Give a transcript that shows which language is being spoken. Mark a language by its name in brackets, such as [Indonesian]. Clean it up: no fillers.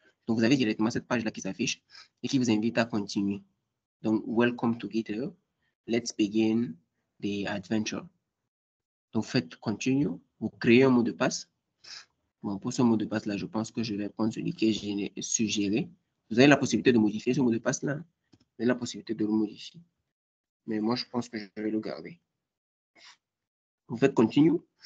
[French] Donc, vous avez directement cette page-là qui s'affiche et qui vous invite à continuer. [English] Donc, welcome to GitHub. Let's begin the adventure. [French] Donc, faites continue. Vous créez un mot de passe. Bon, pour ce mot de passe-là, je pense que je vais prendre celui qui est suggéré. Vous avez la possibilité de modifier ce mot de passe-là. Vous avez la possibilité de le modifier. Mais moi, je pense que je vais le garder. Vous faites continue.